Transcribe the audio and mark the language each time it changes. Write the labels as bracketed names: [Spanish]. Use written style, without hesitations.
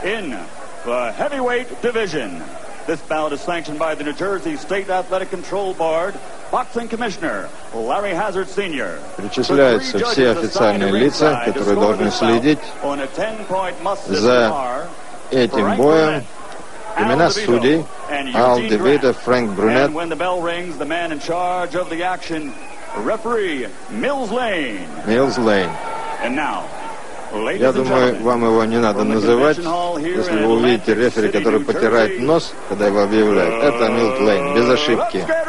[English] This bout is sanctioned by the New Jersey State Athletic Control Board, Boxing Commissioner Larry Hazard Sr. [Russian] Перечисляются все официальные лица, которые должны следить за этим боем. Имена судей: Ал Девито, Фрэнк Брюнет. [English] And when the bell rings, the man in charge of the action, referee Mills Lane. Mills Lane. And now. [Russian] Я думаю, вам его не надо называть, если вы увидите рефери, который потирает нос, когда его объявляют. Это Милт Лейн, без ошибки.